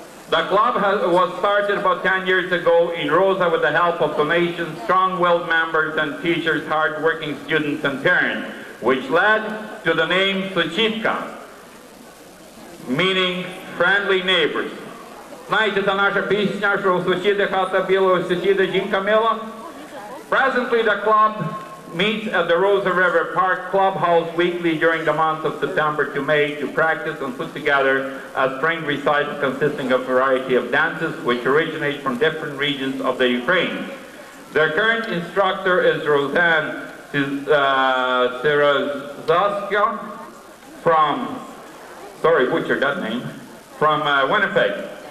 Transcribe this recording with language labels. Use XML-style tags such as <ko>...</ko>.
<en>The club was started about 10 years ago in Rosa with the help of donations, strong-willed members and teachers, hard-working students and parents, which led to the name Сусідка, meaning friendly neighbors.</en> <uk>Знаєте, це наша пісня, що у сусіди хата біла, у сусіди жінка мила.</uk> <en>Presently, the club meets at the Rosa River Park Clubhouse weekly during the months of September to May to practice and put together a spring recital consisting of a variety of dances which originate from different regions of the Ukraine. Their current instructor is Roseanne Sirazaska from Winnipeg.</en>